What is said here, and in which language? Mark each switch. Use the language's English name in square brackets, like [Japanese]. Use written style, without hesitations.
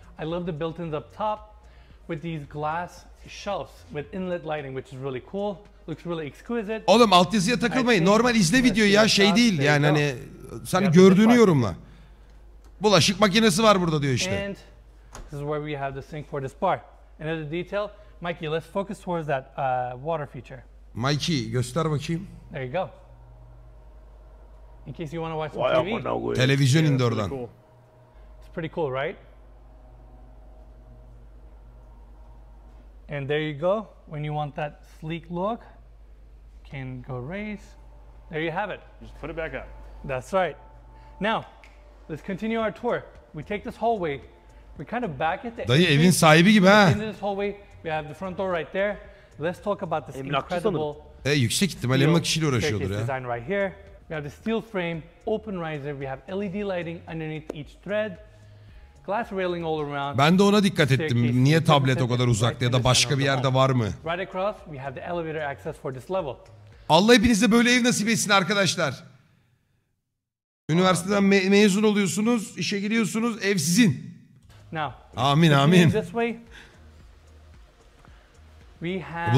[English] I love the built-ins up top with these glass shelves with inlet lighting, which is really cool. Looks really exquisite. [Turkish] Oğlum altyazıya takılmayın. Normal izle videoyu ya, şey değil yani, hani sen gördüğünü yorumla. Bulaşık makinesi var burada diyor işte. [English] And this is where we have the sink for this bar. Another detail, Mikey, let's focus towards that water feature. [Turkish] Mikey, göster bakayım. [English] There you go. In case you want to watch some TV. [Turkish] Televizyon indi oradan. [English] It's pretty cool, right? And there you go. When you want that sleek look, can go raise. There you have it. Just put it back up. That's right. Now, let's continue our tour. We take this hallway. We kind of back at the. [Turkish] Dayı evin sahibi gibi ha. [English] In this hallway, we have the front door right there. Let's talk about this incredible. [Turkish] Yüksek ihtimalle emlak işiyle uğraşıyordur ya. [English] Design right here. We have the steel frame, open riser. We have LED lighting underneath each thread. Glass railing all around. [Turkish] Ben de ona dikkat ettim. Niye tablet o kadar uzakta ya da başka bir yerde var mı? [English] Right across, we have the elevator access for this level. [Turkish] Allah hepinize böyle ev nasip etsin arkadaşlar. Üniversiteden mezun oluyorsunuz, işe giriyorsunuz, ev sizin. [English] Now. [Turkish] Amin amin. [English] This way, we have.